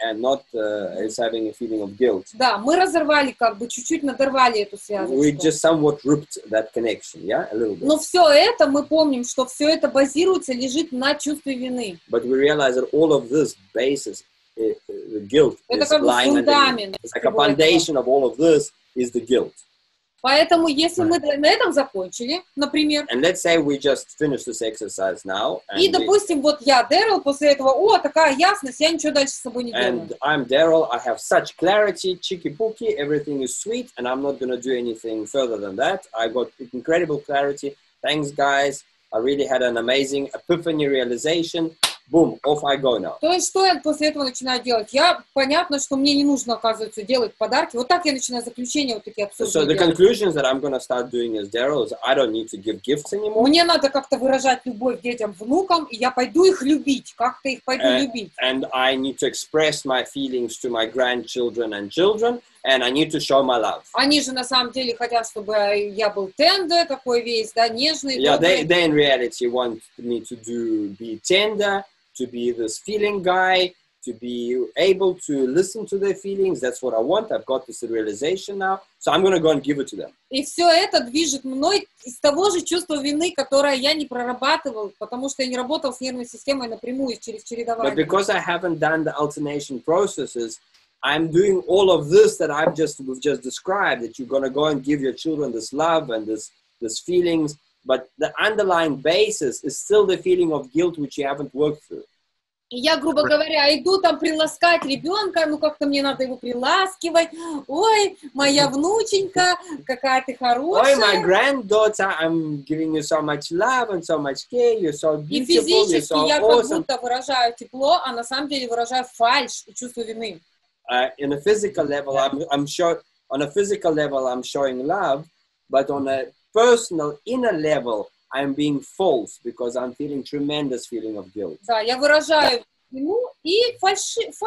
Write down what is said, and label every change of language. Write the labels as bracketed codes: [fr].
[en] and not is having a feeling of guilt. [ru] Да, мы разорвали, как бы чуть-чуть надорвали эту связь. [en] We just somewhat ripped that connection, yeah, a little bit. [ru] Но все это мы помним, что все это базируется, лежит на чувстве вины. [en] But we realize that all of this basis, the guilt, [ru] это [en] is lying underneath. It's like a foundation of all of this is the guilt. [ru] Поэтому, если мы на этом закончили, например, [en] and let's say we just finished this exercise now, [ru] и, допустим, вот я, Дэрил, после этого, о, такая ясность, я ничего дальше с собой не делаю. [en] And I'm Daryl, I have such clarity, chicky-pooky, everything is sweet, and I'm not going to do anything further than that. I got incredible clarity. Thanks, guys. I really had an amazing epiphany realization. Boom, off I go now. [ru] То есть, что я после этого начинаю делать? Я, понятно, что мне не нужно, оказывается, делать подарки. Вот так я начинаю заключение вот такие обсуждения. [en] So the conclusions that I'm going to start doing as Daryl is I don't need to give gifts anymore. [ru] Мне надо как-то выражать любовь детям, внукам, и я пойду их любить, как-то их пойду любить. [en] And I need to express my feelings to my grandchildren and children. And I need to show my love. [ru] Они же на самом деле хотят, чтобы я был тендер, такой весь, да, нежный. [en] Yeah, they in reality want me to do be tender, to be this feeling guy, to be able to listen to their feelings. That's what I want. I've got this realization now. So I'm going to go and give it to them. [ru] И все это движет мной из того же чувства вины, которое я не прорабатывал, потому что я не работал с нервной системой напрямую через чередование. [en] But because I haven't done the alternation processes, I'm doing all of this that we've just described, that you're going to go and give your children this love and this feelings, but the underlying basis is still the feeling of guilt which you haven't worked through. [ru] Я, грубо говоря, иду там приласкать ребенка, ну как-то мне надо его приласкивать. Ой, моя внученька, какая ты хорошая. [en] Ой, my granddaughter, I'm giving you so much love and so much care, you're so beautiful, you're so awesome. [ru] И физически я как будто выражаю тепло, а на самом деле выражаю фальшь и чувство вины. [en] In a physical level, on a physical level, I'm showing love, but on a personal inner level, I'm being false because I'm feeling tremendous feeling of guilt. [ru] Да, я выражаю вину и фальшь.